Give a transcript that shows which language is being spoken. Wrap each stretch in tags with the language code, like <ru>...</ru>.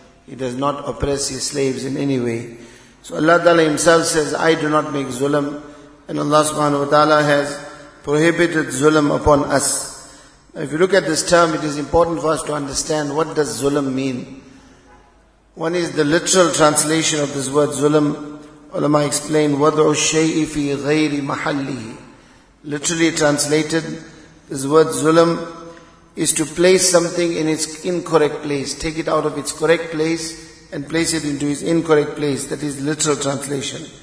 <en>He does not oppress His slaves in any way. So Allah ta'ala Himself says, I do not make zulm. And Allah subhanahu wa ta'ala has prohibited zulm upon us. Now if you look at this term, it is important for us to understand what does zulm mean. One is the literal translation of this word zulm. Ulama explained,</en> <ar>وَضْعُ الشَّيْءِ فِي غَيْرِ مَحَلِّهِ.</ar> <en>Literally translated, this word zulm is to place something in its incorrect place, take it out of its correct place and place it into its incorrect place. That is literal translation.</en>